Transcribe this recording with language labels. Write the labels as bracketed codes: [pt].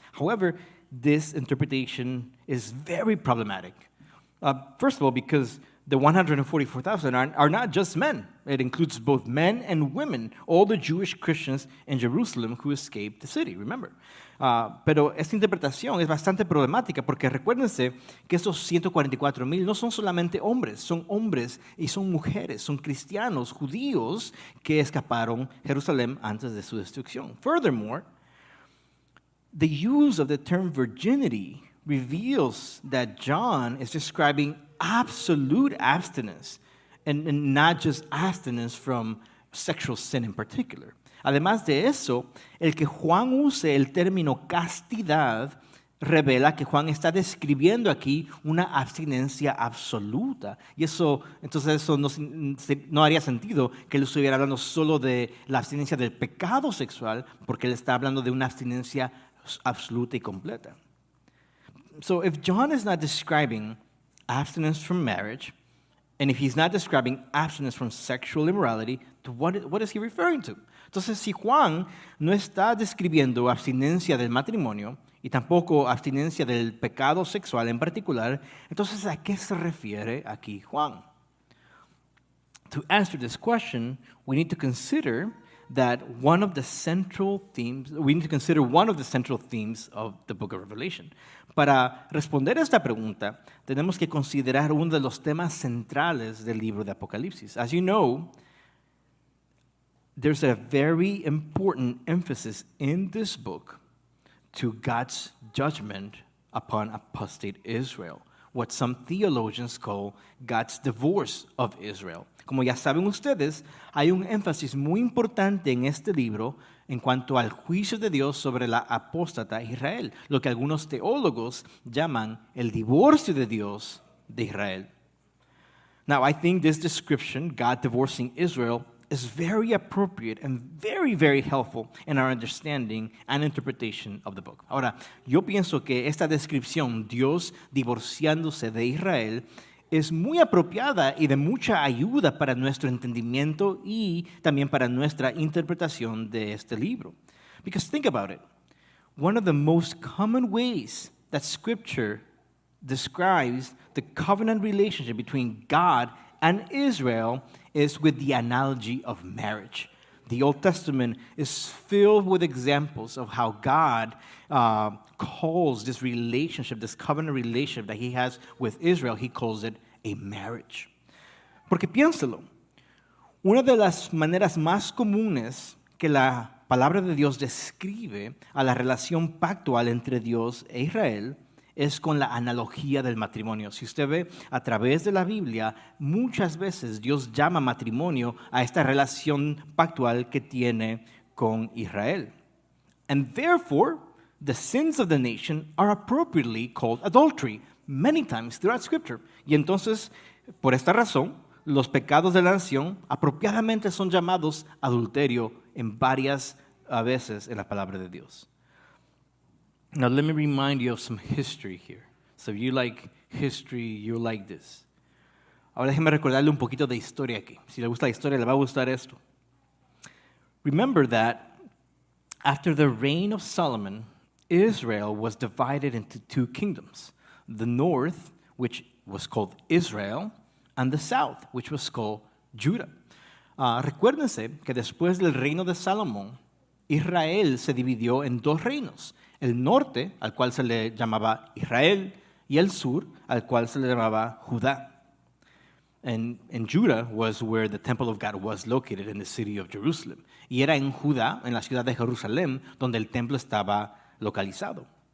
[en] However, this interpretation is very problematic. First of all, because The 144,000 are not just men. It includes both men and women, all the Jewish Christians in Jerusalem who escaped the city, remember. [es] Pero esta interpretación es bastante problemática porque recuérdense que estos 144,000 no son solamente hombres y son mujeres, son cristianos, judíos que escaparon Jerusalén antes de su destrucción. [en] Furthermore, the use of the term virginity reveals that John is describing absolute abstinence and not just abstinence from sexual sin in particular. [es] Además de eso, el que Juan use el término castidad revela que Juan está describiendo aquí una abstinencia absoluta. Y eso, entonces eso no haría sentido que él estuviera hablando solo de la abstinencia del pecado sexual, porque él está hablando de una abstinencia absoluta y completa. [en] So if John is not describing abstinence from marriage, and if he's not describing abstinence from sexual immorality, what is he referring to? [es] Entonces, si Juan no está describiendo abstinencia del matrimonio y tampoco abstinencia del pecado sexual en particular, entonces, ¿a qué se refiere aquí Juan? [en] To answer this question, we need to consider that one of the central themes, we need to consider one of the central themes of the book of Revelation. [es] Para responder a esta pregunta, tenemos que considerar uno de los temas centrales del libro de Apocalipsis. [en] As you know, there's a very important emphasis in this book to God's judgment upon apostate Israel, what some theologians call God's divorce of Israel. [es] Como ya saben ustedes, hay un énfasis muy importante en este libro en cuanto al juicio de Dios sobre la apóstata Israel, lo que algunos teólogos llaman el divorcio de Dios de Israel. [en] Now, I think this description, God divorcing Israel, is very appropriate and very, very helpful in our understanding and interpretation of the book. [es] Ahora, yo pienso que esta descripción, Dios divorciándose de Israel, es muy apropiada y de mucha ayuda para nuestro entendimiento y también para nuestra interpretación de este libro. [en] Because think about it. One of the most common ways that Scripture describes the covenant relationship between God and Israel is with the analogy of marriage. The Old Testament is filled with examples of how God calls this relationship, this covenant relationship that he has with Israel, he calls it a marriage. [es] Porque piénselo, una de las maneras más comunes que la palabra de Dios describe a la relación pactual entre Dios e Israel es con la analogía del matrimonio. Si usted ve a través de la Biblia, muchas veces Dios llama matrimonio a esta relación pactual que tiene con Israel. [en] And therefore, the sins of the nation are appropriately called adultery many times throughout Scripture. [es] Y entonces, por esta razón, los pecados de la nación apropiadamente son llamados adulterio en varias veces en la palabra de Dios. [en] Now let me remind you of some history here. So if you like history, you like this. [es] Ahora déjeme recordarle un poquito de historia aquí. Si le gusta la historia, le va a gustar esto. [en] Remember that after the reign of Solomon, Israel was divided into two kingdoms. The north, which was called Israel, and the south, which was called Judah. [es] Recuérdense que después del reino de Salomón, Israel se dividió en dos reinos. El norte, al cual se le llamaba Israel, y el sur, al cual se le llamaba Judá. [en] And Judah was where the temple of God was located in the city of Jerusalem. [es] Y era en Judá, en la ciudad de Jerusalén, donde el templo estaba localizado.